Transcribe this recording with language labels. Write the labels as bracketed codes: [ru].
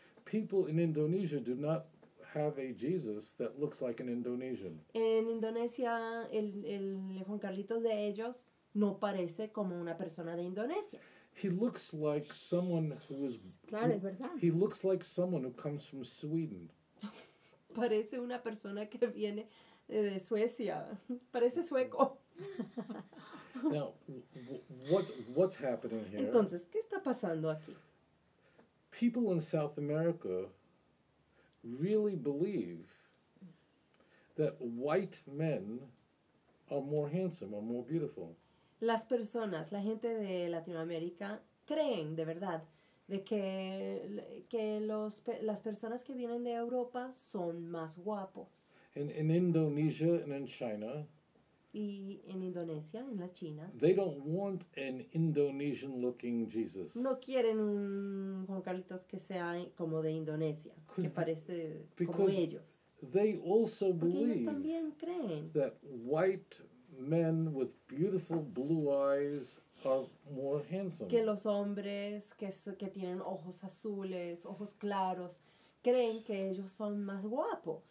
[en] People in Indonesia do not have a Jesus that looks like an Indonesian. [es] En Indonesia, el Juan Carlitos de ellos no parece como una persona de Indonesia. [en] He looks like someone who is. [es] Claro, es verdad. [en] He looks like someone who comes from Sweden. [es] Parece una persona que viene de Suecia. Parece sueco. [en] Now, what's happening here? [es] Entonces, ¿qué está pasando aquí? [en] People in South America really believe that white men are more handsome or more beautiful. [es] Las personas, la gente de Latinoamérica, creen de verdad de que las personas que vienen de Europa son más guapos. [en] In Indonesia and in China. [es] Y en Indonesia, en la China. [en] They don't want an Indonesian-looking Jesus. [es] No quieren un Juan Carlitos que sea como de Indonesia, que parece como ellos. [en] They also believe. [es] Ellos también creen. [en] That white men with beautiful blue eyes are more handsome. [es] Que los hombres que tienen ojos azules, ojos claros, creen que ellos son más guapos.